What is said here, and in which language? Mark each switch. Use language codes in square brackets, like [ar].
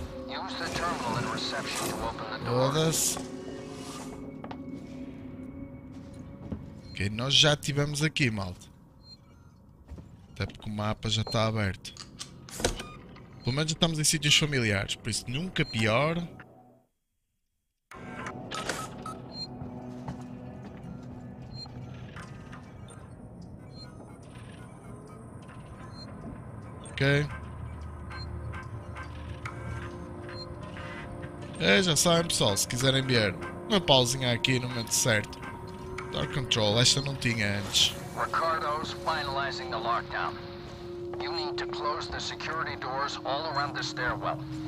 [en] Use the terminal and reception to open the door. Todas. [pt] Ok, nós já estivemos aqui, malta. Até porque o mapa já está aberto. Pelo menos já estamos em sítios familiares, por isso nunca pior. Ok. É, já sabem, pessoal, se quiserem ver uma pausinha aqui no momento certo. Dark Control, esta não tinha antes. [en] Ricardo's finalizing the lockdown. You need to close the security doors all around the stairwell.